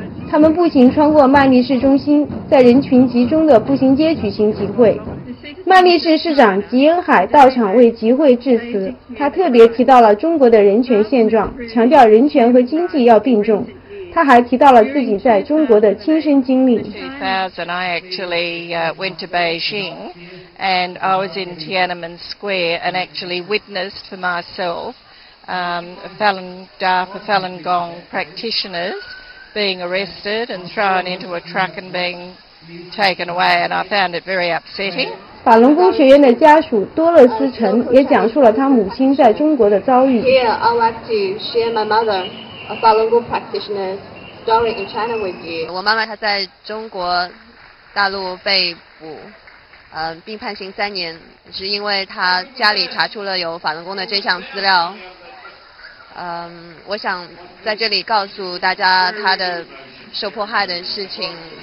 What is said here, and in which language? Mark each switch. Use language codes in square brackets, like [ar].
[zh] 他们步行穿过曼利市中心，在人群集中的步行街举行集会。曼利市市长吉恩海到场为集会致辞，他特别提到了中国的人权现状，强调人权和经济要并重。他还提到了自己在中国的亲身经历。 [en] 2000, I actually went to Beijing, and I was in Tiananmen Square and actually witnessed for myself Falun Dafa Falun Gong practitioners being arrested and thrown into a truck and being taken away, and I found it very upsetting. [zh] 法轮功学员的家属多勒斯·陈也讲述了他母亲在中国的遭遇。 [en] Here, I'd like to share my mother, a Falun Gong practitioner, story in China with you. [zh] 我妈妈她在中国大陆被捕，并判刑三年，是因为她家里查出了有法轮功的真相资料。我想在这里告诉大家她的受迫害的事情。